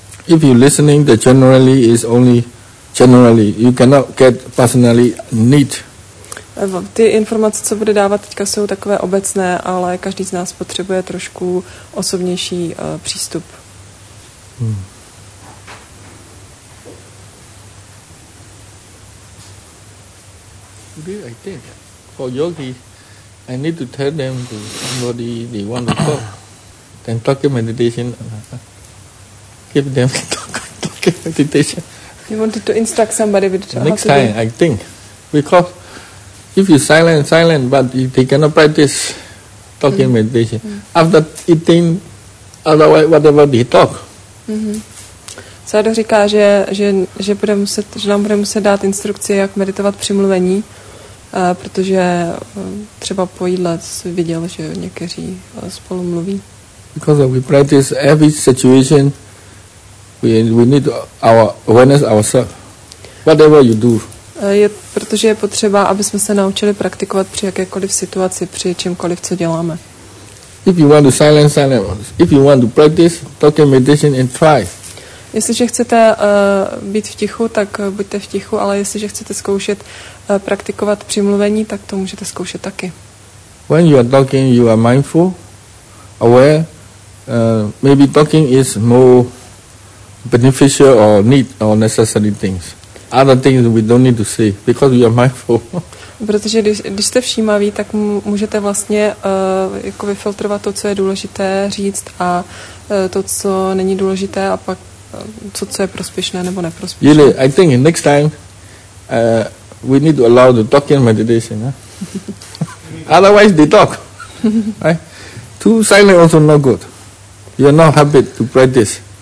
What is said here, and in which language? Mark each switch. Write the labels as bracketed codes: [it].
[en] If you listening, the generally is only generally. You cannot get personally neat. [cs] Ty informace, co bude dávat teďka, jsou takové obecné, ale každý z nás potřebuje trošku osobnější přístup. [en] Maybe I think for yogi, I need to tell them to somebody they want to talk. Then talk in meditation. Give them talk meditation. You wanted to instruct somebody with the next time, I think. Because if you silent, but if they cannot practice talking meditation. Mm. After eating, otherwise whatever they talk. Mm-hmm. [cs] Sado říká, že nám bude muset dát instrukci, jak meditovat při mluvení, protože třeba po jídle viděl, že někteří spolu mluví. [en] Because we practice every situation. We need our awareness ourselves. Whatever you do. [cs] Protože je potřeba, aby jsme se naučili praktikovat při jakékoliv situaci, při čímkoliv, co děláme. [en] If you want to silence, if you want to practice, talk in meditation and try. [cs] Jestliže chcete být v tichu, tak buďte v tichu, ale jestliže chcete zkoušet praktikovat při mluvení, tak to můžete zkoušet taky. [en] When you are talking, you are mindful, aware. Maybe talking is more beneficial or need or necessary things. Other things we don't need to say because we are mindful. [cs] Protože když jste všímaví, tak můžete vlastně jako vyfiltrovat to, co je důležité říct a to, co není důležité a pak co je prospěšné nebo neprospěšné. [en] Really, I think next time we need to allow the talking meditation. Eh? Otherwise they talk. Right? Too silent also not good. You are not happy to practice.